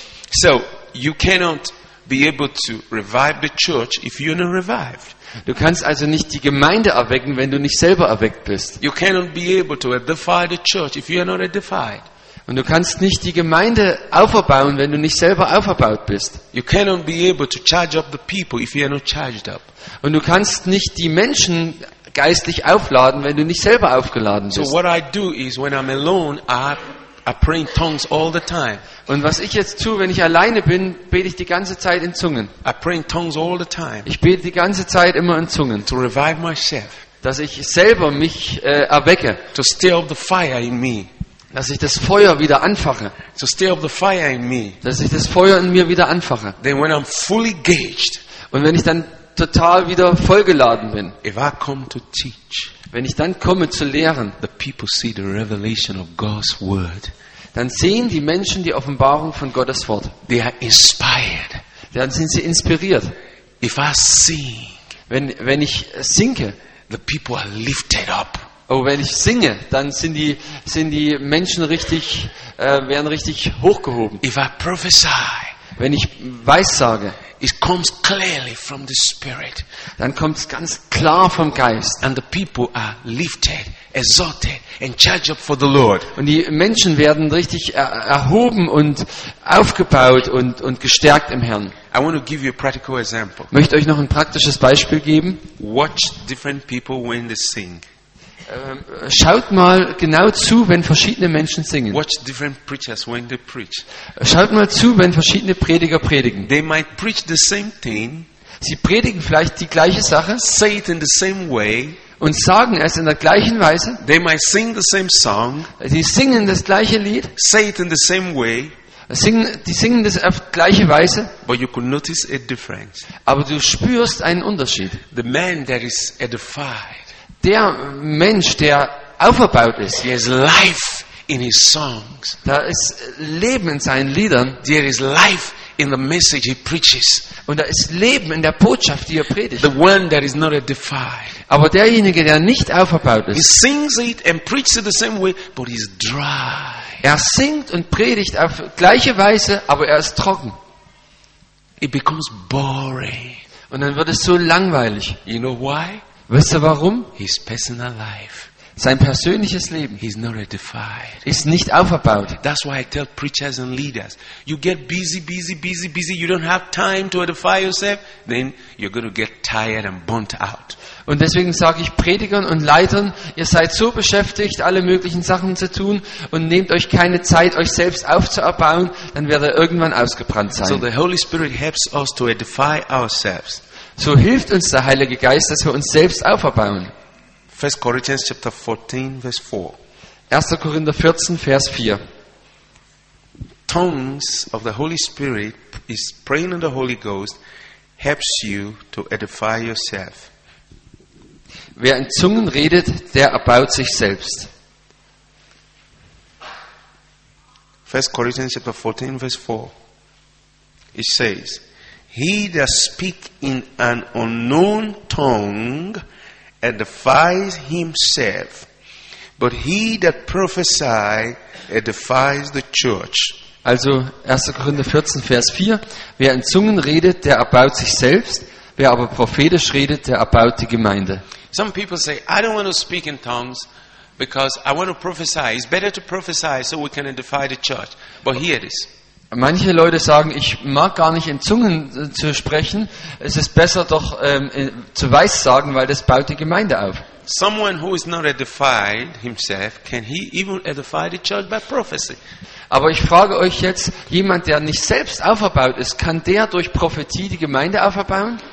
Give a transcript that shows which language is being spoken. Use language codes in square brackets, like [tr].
[en] So, you cannot be able to revive the church if you're not revived. [de] Du kannst also nicht die Gemeinde erwecken, wenn du nicht selber erweckt bist. [en] You cannot be able to edify the church if you are not edified. [de] Und du kannst nicht die Gemeinde aufbauen, wenn du nicht selber aufgebaut bist. [en] You cannot be able to charge up the people if you are not charged up. [de] Und du kannst nicht die Menschen geistlich aufladen, wenn du nicht selber aufgeladen bist. [en] So what I do is when I'm alone, I pray in tongues all the time. [de] Und was ich jetzt tue, wenn ich alleine bin, bete ich die ganze Zeit in Zungen. [en] I pray in tongues all the time. [de] Ich bete die ganze Zeit immer in Zungen. [en] To revive myself. [de] Dass ich selber mich erwecke. [en] To stir up the fire in me. [de] Dass ich das Feuer wieder anfache. [en] So stir up the fire in me. [de] Dass ich das Feuer in mir wieder anfache. [en] Then when I'm fully engaged, [de] und wenn ich dann total wieder vollgeladen bin, [en] if I come to teach, [de] wenn ich dann komme zu lehren, [en] the people see the revelation of God's word, [de] dann sehen die Menschen die Offenbarung von Gottes Wort. [en] They are inspired. [de] Dann sind sie inspiriert. [en] If I sing, [de] wenn ich singe, [en] the people are lifted up. [de] Oh, wenn ich singe, dann sind die Menschen richtig, werden richtig hochgehoben. [en] If I prophesy, [de] wenn ich weissage, [en] it comes clearly from the Spirit, [de] dann kommt es ganz klar vom Geist. [en] And the people are lifted, exalted, and charged up for the Lord. [de] Und die Menschen werden richtig erhoben und aufgebaut und gestärkt im Herrn. [en] I want to give you a practical example. [de] Möchte euch noch ein praktisches Beispiel geben. [en] Watch different people when they sing. [de] Schaut mal genau zu, wenn verschiedene Menschen singen. [en] Watch different preachers when they preach. [de] Schaut mal zu, wenn verschiedene Prediger predigen. [en] They might preach the same thing, [de] sie predigen vielleicht die gleiche Sache, [en] say it in the same way, [de] und sagen es in der gleichen Weise. [en] They might sing the same song, [de] sie singen das gleiche Lied, [en] say it in the same way, [de] die singen das auf gleiche Weise. [en] But you could notice a difference. [de] Aber du spürst einen Unterschied. [en] The man that is edified. [de] Der Mensch, der aufgebaut ist, [en] there is life in his songs. [de] Da ist Leben in seinen Liedern. [en] There is life in the message he preaches. [de] Und da ist Leben in der Botschaft, die er predigt. [en] The one that is not edified. [de] Aber derjenige, der nicht aufgebaut ist, [en] he sings it and preaches it the same way, but he's dry. [de] Er singt und predigt auf gleiche Weise, aber er ist trocken. [en] It becomes boring. [de] Und dann wird es so langweilig. [en] You know why? [de] Wisst ihr warum? [en] His personal life. [de] Sein persönliches Leben. [en] He's not edified. [de] Ist nicht aufgebaut. [en] That's why I tell preachers and leaders, you get busy, busy, busy, busy. You don't have time to edify yourself. Then you're going to get tired and burnt out. [de] Und deswegen sage ich Predigern und Leitern, ihr seid so beschäftigt, alle möglichen Sachen zu tun und nehmt euch keine Zeit, euch selbst aufzubauen, dann werdet ihr irgendwann ausgebrannt sein. [en] So the Holy Spirit helps us to edify ourselves. [de] So hilft uns der Heilige Geist, dass wir uns selbst aufbauen. 1. Korinther 14, Vers 4. 1. Korinther 14, Vers 4. [en] Tongues of the Holy Spirit is praying in the Holy Ghost helps you to edify yourself. [de] Wer in Zungen redet, der erbaut sich selbst. 1. Korinther 14, Vers 4. [en] It says, he that speak in an unknown tongue edifies himself, but he that prophesy edifies the church. [de] Also 1. Korinther 14, Vers 4. Wer in Zungen redet, der erbaut sich selbst. Wer aber prophetisch redet, der erbaut die Gemeinde. [en] Some people say, I don't want to speak in tongues because I want to prophesy. It's better to prophesy so we can edify the church. But here it is. [de] Manche Leute sagen, ich mag gar nicht in Zungen zu sprechen. Es ist besser doch zu weissagen, weil das baut die Gemeinde auf. [en] Someone who is not edified himself, can he even edify the church by prophecy? [de] Aber ich frage euch jetzt, jemand, der nicht selbst aufgebaut ist, kann der durch Prophetie die Gemeinde aufbauen?